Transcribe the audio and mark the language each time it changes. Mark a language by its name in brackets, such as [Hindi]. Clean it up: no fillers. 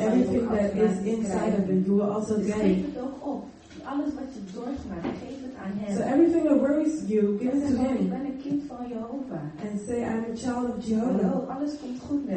[English] And everything that is inside of it, you will also gain. [Dutch] Dus geef het ook op. Alles wat je doormaakt, geef het aan hem. [English] So everything that worries you, give it to him. [Dutch] Ik ben een kind van Jehovah. [English] And say, I'm a child of Jehovah. [Dutch] Hallo, alles komt goed met